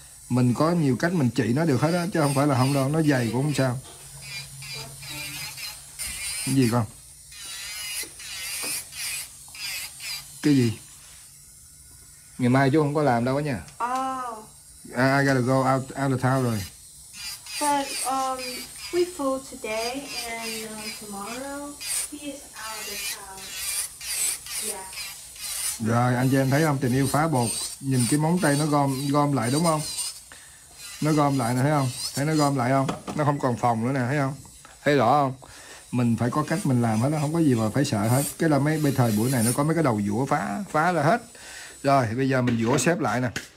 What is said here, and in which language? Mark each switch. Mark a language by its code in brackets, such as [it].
[vi] Mình có nhiều cách mình trị nó được hết á, chứ không phải là không đâu, nó dày cũng không sao. Cái gì con? Cái gì? Ngày mai chú không có làm đâu á nha. [en] Oh. I gotta go out of town rồi. But we full today and tomorrow he is out of town. Yeah. [vi] Rồi, anh chị em thấy không? Tình yêu phá bột. Nhìn cái móng tay nó gom lại đúng không? Nó gom lại nè, thấy không? Thấy nó gom lại không? Nó không còn phòng nữa nè, thấy không? Thấy rõ không? Mình phải có cách mình làm hết, nó không có gì mà phải sợ hết. Cái là mấy bây thời buổi này nó có mấy cái đầu dũa phá là hết. Rồi, bây giờ mình dũa xếp lại nè.